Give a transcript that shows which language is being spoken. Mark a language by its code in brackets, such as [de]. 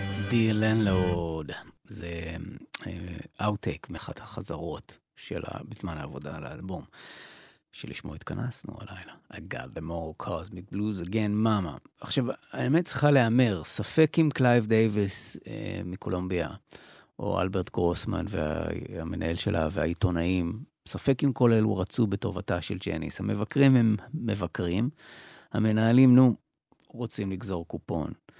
[he] Landlord. זה outtake מאחת החזרות של בזמן העבודה על האלבום שלשמו התכנסנו הלילה. [en] I got the more cosmic blues again, mama. [he] עכשיו, האמת צריכה לאמר, ספק אם קלייב דייביס מקולומביה, או אלברט גרוסמן והמנהל שלה והעיתונאים, ספק אם כל אלו רצו בטובתה של ג'ניס. המבקרים הם מבקרים, המנהלים, נו, רוצים לגזור קופון.